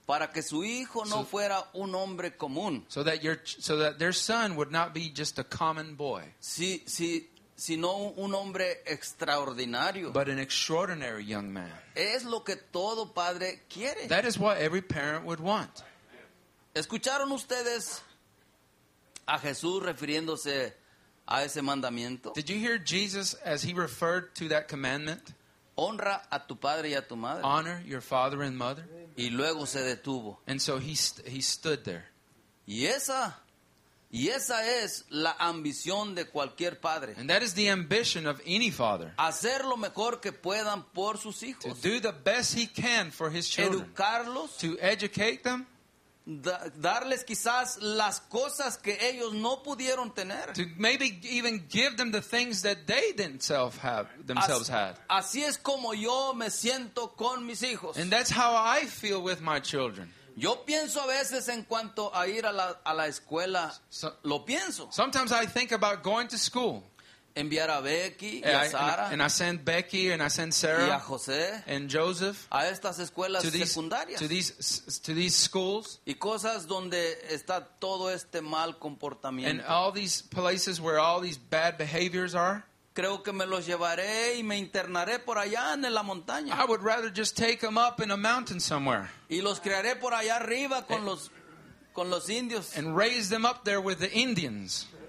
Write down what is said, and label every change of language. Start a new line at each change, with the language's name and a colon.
Spanish: para que su hijo no so, fuera un hombre común
English: so that their son would not be just a common boy
Spanish: sino un hombre extraordinario
English: but an extraordinary young man
Spanish: es lo que todo padre quiere
English: that is what every parent would want.
Spanish: ¿Escucharon ustedes a Jesús refiriéndose a ese mandamiento?
English: Did you hear Jesus as he referred to that commandment?
Spanish: Honra a tu padre y a tu madre.
English: Honor your father and mother.
Spanish: Y luego se detuvo.
English: And so he stood there.
Spanish: Y esa es la ambición de cualquier padre.
English: And that is the ambition of any father.
Spanish: Hacer lo mejor que puedan por sus hijos.
English: To do the best he can for his children.
Spanish: Educarlos.
English: To educate them.
Spanish: Darles quizás las cosas que ellos no pudieron tener.
English: To maybe even give them the things that they themselves have themselves
Spanish: así,
English: had.
Spanish: Así es como yo me siento con mis hijos.
English: And that's how I feel with my children.
Spanish: Yo pienso a veces en cuanto a ir a la escuela, lo pienso.
English: Sometimes I think about going to school.
Spanish: Enviar a Becky y a Sara.
English: And I send Becky and I send Sarah.
Spanish: Y a José.
English: And Joseph.
Spanish: A estas escuelas secundarias.
English: To these schools.
Spanish: Y cosas donde está todo este mal comportamiento.
English: And all these places where all these bad behaviors are.
Spanish: Creo que me los llevaré y me internaré por allá en la montaña.
English: I would rather just take them up in a mountain somewhere.
Spanish: Y los criaré por allá arriba con los indios.
English: And raise them up there with the Indians.